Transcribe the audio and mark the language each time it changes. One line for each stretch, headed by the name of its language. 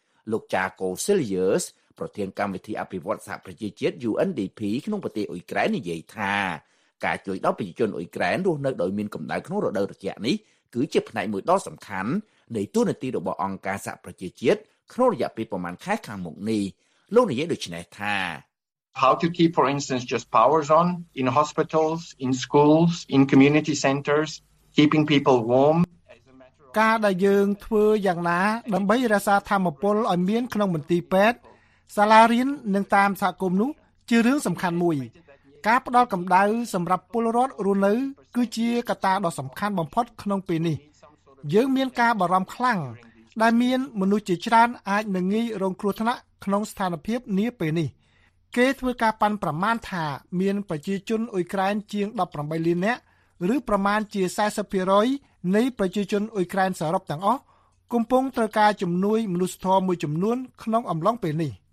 Khmer: លោកចាកូសិលីយើសប្រធានគណៈវិធិអភិវឌ្ឍសហប្រជាជាតិ UNDP ក្នុងប្រទេសអ៊ុយក្រែននិយាយថាការជួយដល់ប្រជាជនអ៊ុយក្រែនរស់នៅដោយមានកម្ដៅក្នុងរដូវត្រជាក់នេះគឺជាផ្នែកមួយដ៏សំខាន់នៃទូរនីតិរបស់អង្គការសហប្រជាជាតិក្នុងរយៈពេលប្រមាណខែខាងមុខនេះលោកនិយាយដូច្នេះថា
English: How to keep for instance just powers on in hospitals in schools in community centers keeping people warm
Khmer: ការដែលយើងធ្វើយ៉ាងណាដើម្បីរក្សាធម្មពលឲ្យមានក្នុងមន្ទីរពេទ្យសាលារៀននិងតាមសហគមន៍នោះជារឿងសំខាន់មួយការផ្ដល់កម្ដៅសម្រាប់ពលរដ្ឋរស់នៅគឺជាកត្តាដ៏សំខាន់បំផុតក្នុងពេលនេះ យើងមានការបារម្ភខ្លាំងដែលមានមនុស្សជាច្រើនអាចនឹងងាយរងគ្រោះថ្នាក់ក្នុងស្ថានភាពនេះពេលនេះគេធ្វើការប៉ាន់ប្រមាណថាមានប្រជាជនអ៊ុយក្រែនជាង18លាននាក់ឬប្រមាណជា 40% នៃប្រជាជនអ៊ុយក្រែនសរុបទាំងអស់កំពុងត្រូវការជំនួយមនុស្សធម៌មួយចំនួនក្នុងអំឡុងពេលនេះ